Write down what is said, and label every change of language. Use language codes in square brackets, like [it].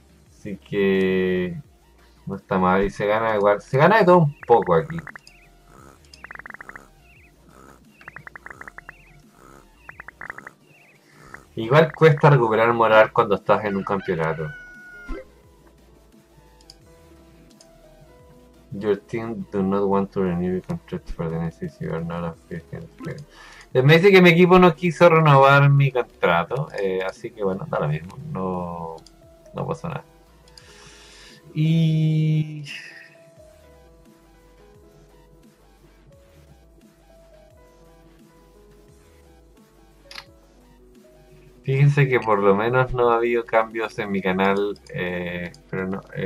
[es] Así que no está mal y se gana igual. Se gana de todo un poco aquí. Igual cuesta recuperar moral cuando estás en un campeonato. [en] Your team do not want to renew your contract for the next year, not a free agent. [es] Me dice que mi equipo no quiso renovar mi contrato, así que bueno, da lo mismo, no pasa nada. Y fíjense que por lo menos no ha habido cambios en mi canal, pero no.